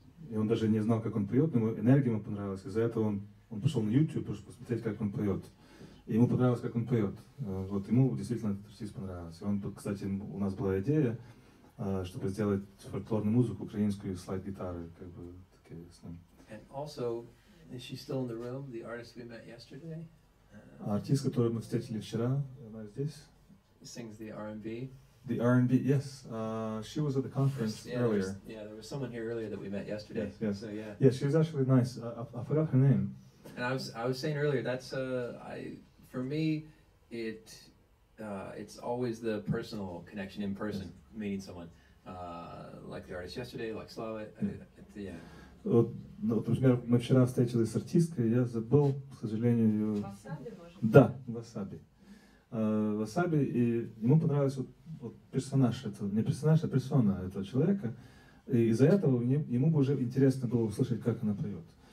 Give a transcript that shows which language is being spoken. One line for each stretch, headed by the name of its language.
Russian: И он даже не знал, как он поет, но ему энергия ему понравилась. Из-за этого он пошел на YouTube, чтобы посмотреть, как он поет. И ему понравилось, как он поет. Вот ему действительно этот артист понравился. И он, кстати, у нас была идея, чтобы сделать фольклорную музыку, украинскую слайд-гитары, как бы такие с ним.
English: And also, is she still in the room, the artist we met yesterday?
Russian: Артист, которого мы встретили вчера, она здесь.
English: Sings the R&B. The R&B, yes. She was at the conference earlier. Yeah, there was someone here earlier that we met yesterday. Yes. So yeah. Yeah, she was actually nice. I forgot her name. And I was saying earlier, that's it's always the personal connection in person, yes. Meeting someone, like the artist yesterday, like Slava.
Russian: Ну, например, мы вчера встретились с артисткой, я забыл, к сожалению, ее. Васаби. Да, Васаби. Васаби, и ему понравилось вот персонаж, это не персонаж, а персона этого человека. И из-за этого ему бы уже интересно было услышать, как она поет.